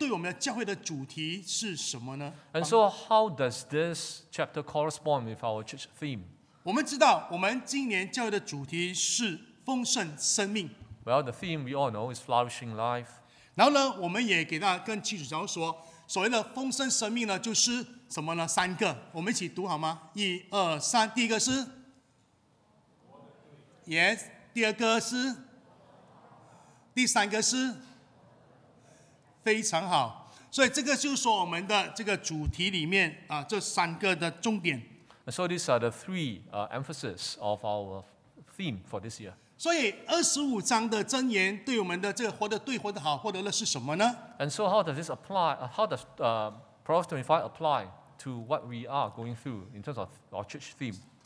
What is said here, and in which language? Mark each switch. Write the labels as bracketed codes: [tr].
[zh] 所以从今天这25章的这个经文里面，对我们教会的主题是什么呢？ [en] And so how does this chapter correspond with our church theme? [zh] 我们知道我们今年教会的主题是丰盛生命。 [en] Well, the theme we all know is flourishing life. [zh] 然后呢，我们也给大家更清楚，假如说，所谓的丰盛生命呢，就是什么呢？三个，我们一起读好吗？一二三，第一个是， [en] yes， [zh] 第二个是，第三个是，非常好。所以这个就是说我们的这个主题里面啊，这三个的重点。 [en] So these are the three emphasis of our theme for this year. [zh] 所以25章的箴言对我们的这个活得对、活得好，获得了是什么呢？ [en] And so how does this apply? How does Proverbs 25 apply to what we are going through in terms of our church theme?